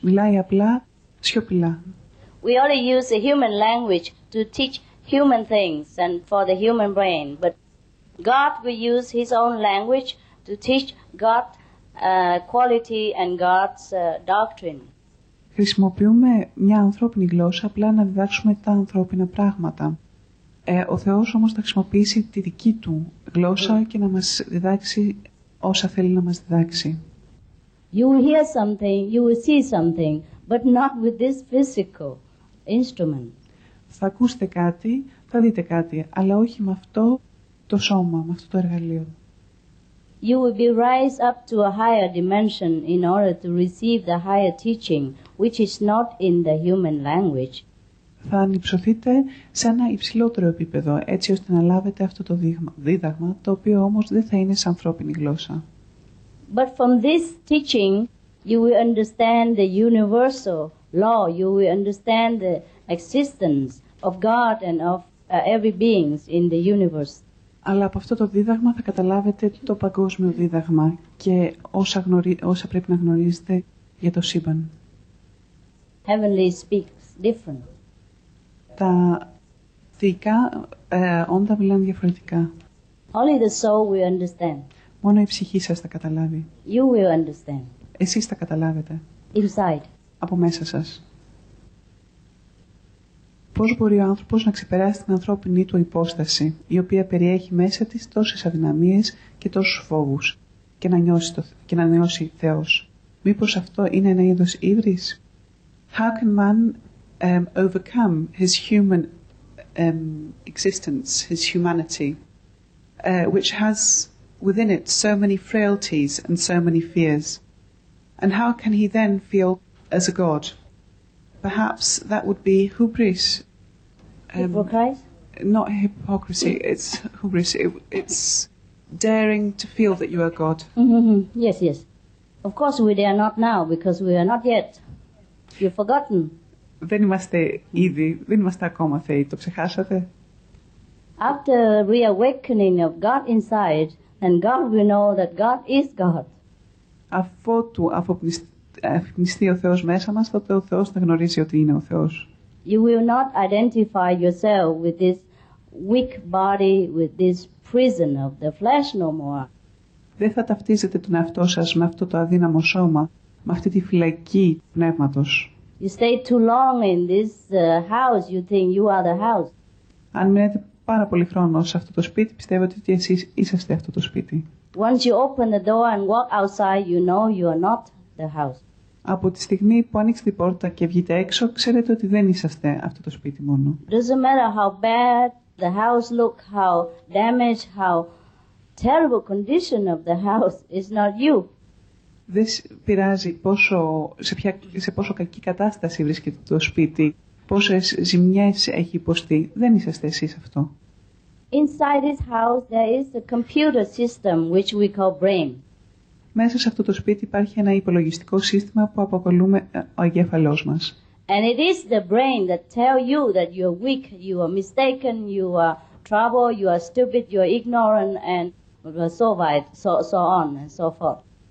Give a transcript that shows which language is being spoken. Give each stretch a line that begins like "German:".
Greek: Μιλάει απλά, σιωπηλά.
English: We only use the human language to teach human things and for the human brain. But God will use his own language to teach God's quality and God's doctrine.
Greek: Χρησιμοποιούμε μια ανθρώπινη γλώσσα απλά να διδάξουμε τα ανθρώπινα πράγματα. Ο Θεός όμως θα χρησιμοποιήσει τη δική του γλώσσα και να μας διδάξει όσα θέλει να μας διδάξει.
English: You will hear something, you will see something, but not with this physical instrument.
Greek: Θα ακούσετε κάτι, θα δείτε κάτι, αλλά όχι με αυτό το σώμα, με αυτό το εργαλείο.
English: You will be raised up to a higher dimension in order to receive the higher teaching, which is not in the human language.
Greek: Θα ανυψωθείτε σε ένα υψηλότερο επίπεδο, έτσι ώστε να λάβετε αυτό το δίδαγμα, το οποίο όμως δεν θα είναι σε ανθρώπινη γλώσσα.
English: But from this teaching, you will understand the universal law. You will understand the existence of God and of every beings in the universe.
Greek: Αλλά από αυτό το δίδαγμα θα καταλάβετε το παγκόσμιο δίδαγμα και όσα πρέπει να γνωρίζετε για το σύμπαν.
English: Heavenly speaks different.
Greek: Τα θεϊκά όντα μιλάνε διαφορετικά.
English: Only the soul will understand.
Greek: Μόνο η ψυχή σας θα καταλάβει.
English: You will understand.
Greek: Εσείς θα καταλάβετε.
English: Inside.
Greek: Από μέσα σας. Πώς μπορεί ο άνθρωπος να ξεπεράσει την ανθρώπινη του υπόσταση, η οποία περιέχει μέσα της τόσες αδυναμίες και τόσους φόβους, και να νιώσει, και να νιώσει Θεός? Μήπως αυτό είναι ένα είδος ύβρις?
English: How can man overcome his human existence, his humanity, which has within it so many frailties and so many fears? And how can he then feel as a god? Perhaps that would be hubris. Hypocrisy? Not hypocrisy, it's hubris. It's daring to feel that you are God. Mm-hmm. Yes, yes. Of course we dare not now, because we are not yet. You've forgotten.
Greek: Δεν είμαστε ήδη, δεν είμαστε ακόμα θεοί, το ξεχάσατε?
English: After reawakening of God inside, and God will know that God is God.
Greek: Αφότου αφυπνιστεί ο Θεός μέσα μας, τότε ο Θεός θα γνωρίζει ότι είναι ο Θεός.
English: You will not identify yourself with this weak body, with this prison of the flesh no more.
Greek: Δεν θα ταυτίζετε τον εαυτό σας με αυτό το αδύναμο σώμα, με αυτή τη φυλακή πνεύματος.
English: You stay too long in this house, you think you are the house.
Greek: Αν μείνετε πάρα πολύ χρόνο σε αυτό το σπίτι, πιστεύετε ότι εσείς είσαστε αυτό το σπίτι.
English: Once you open the door and walk outside, you know you are not the house.
Greek: Από τη στιγμή που ανοίξετε την πόρτα και βγείτε έξω, ξέρετε ότι δεν είσαστε αυτό το σπίτι μόνο.
English: Doesn't matter how bad the house look, how damaged, how terrible condition of the house, it's not you.
Greek: Δεν πειράζει πόσο, σε πόσο κακή κατάσταση βρίσκεται το σπίτι, πόσες ζημιές έχει υποστεί. Δεν είσαστε εσείς αυτό.
English: Inside this house there is a computer system which we call brain.
Greek: Μέσα σε αυτό το σπίτι υπάρχει ένα υπολογιστικό σύστημα που αποκαλούμε ο εγκέφαλός μας.
English: And it is the brain that tell you that you are weak, you are mistaken, you are trouble, you are stupid, you are ignorant and so on and so forth.